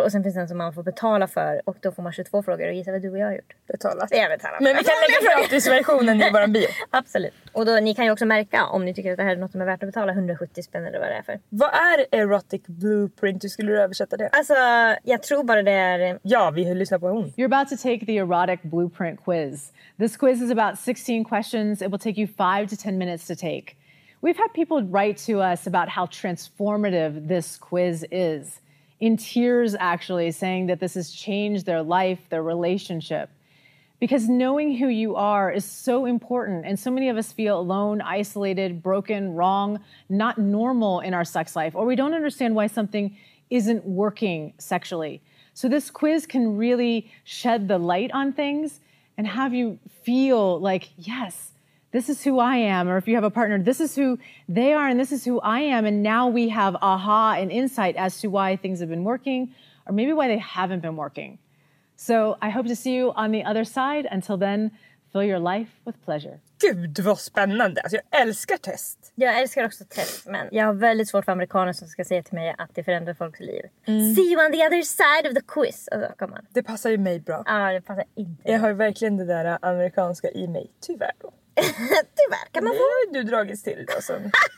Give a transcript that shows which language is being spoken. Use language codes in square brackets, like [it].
[sv] Och sen finns den som man får betala för. Och då får man 22 frågor. Och gissa vad du och jag har gjort. Betalat. Det är betalat. Men vi kan lägga gratisversionen i vår bio. Absolut. Och då, ni kan ju också märka om ni tycker att det här är något som är värt att betala 170 spänn eller vad det är för. Vad är erotic blueprint? Hur skulle du översätta det? Alltså, jag tror bara det är... Ja, vi har lyssnat på hon. [en] You're about to take the erotic blueprint quiz. This quiz is about 16 questions. It will take you 5 to 10 minutes to take. We've had people write to us about how transformative this quiz is. In tears, actually, saying that this has changed their life, their relationship. Because knowing who you are is so important, and so many of us feel alone, isolated, broken, wrong, not normal in our sex life, or we don't understand why something isn't working sexually. So this quiz can really shed the light on things and have you feel like, yes, this is who I am, or if you have a partner, this is who they are, and this is who I am, and now we have aha and insight as to why things have been working, or maybe why they haven't been working. So I hope to see you on the other side. Until then, fill your life with pleasure. [sv] Gud, vad spännande. Alltså, jag älskar test. Jag älskar också test, men jag har väldigt svårt för amerikaner som ska säga till mig att det förändrar folks liv. [en] Mm. See you on the other side of the quiz. [sv] Alltså, [en] come on. [sv] Det passar ju mig bra. Ja, det passar inte. Jag har verkligen det där amerikanska i mig, tyvärr då. Tyvärr, kan man få? Nu har du dragits till då sen.